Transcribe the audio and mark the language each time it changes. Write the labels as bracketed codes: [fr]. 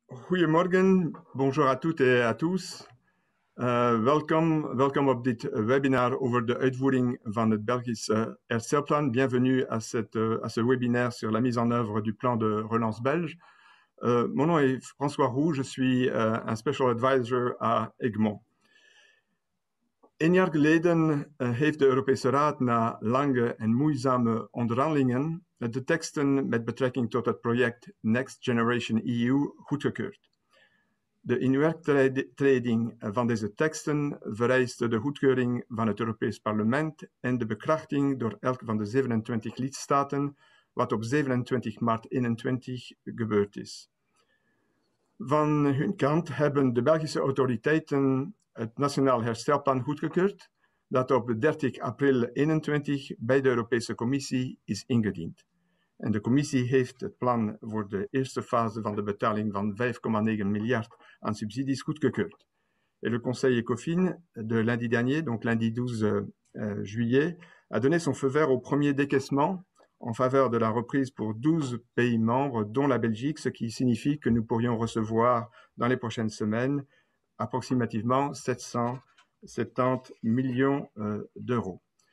[fr] Oui, Morgan, bonjour à toutes et à tous. [nl] Welcome [fr] au dit webinaire [nl] over the uitvoering van het Belgisch herstelplan. [fr] Bienvenue à ce webinaire sur la mise en œuvre du plan de relance belge. Mon nom est François Roux, je suis un special advisor à Egmont. [nl] Een jaar geleden heeft de Europese Raad na lange en moeizame onderhandelingen de teksten met betrekking tot het project Next Generation EU goedgekeurd. De inwerktreding van deze teksten vereiste de goedkeuring van het Europees Parlement en de bekrachting door elk van de 27 lidstaten, wat op 27 maart 2021 gebeurd is. Van hun kant hebben de Belgische autoriteiten het Nationaal Herstelplan goedgekeurd, dat op 30 april 2021 bij de Europese Commissie is ingediend. En de commissie heeft het plan voor de eerste fase van de betaling van 5,9 miljard aan subsidies goedgekeurd. [fr] Et le Conseil ECOFIN de lundi dernier, donc lundi 12 juillet, a donné son feu vert au premier décaissement en faveur de la reprise pour 12 pays membres, dont la Belgique, ce qui signifie que nous pourrions recevoir dans les prochaines semaines approximativement 770 millions d'euros.